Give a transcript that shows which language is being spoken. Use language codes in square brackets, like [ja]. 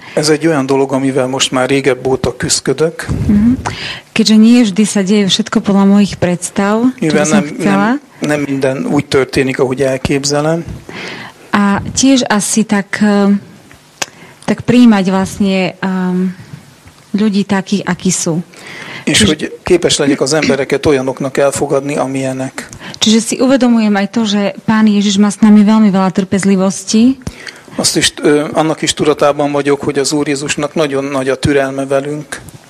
[hu] ez egy olyan dolog, amivel most már régebb óta küszködök. [sk] Keďže nie vždy sa deje všetko podľa mojich predstav, [hu] mivel [sk] čo som chcela. [hu] Nem minden úgy történik, ahogy elképzelem. [sk] A tiež asi tak prijímať vlastne ľudí takých, akí sú. [hu] És hogy képes legyek az embereket olyanoknak elfogadni, amilyenek. [sk] Čiže si uvedomujem aj to, že Pán Ježiš má s nami veľmi veľa trpezlivosti. [hu] Azt is, annak is tudatában vagyok, hogy az Úr Jézusnak nagyon nagy a türelme velünk.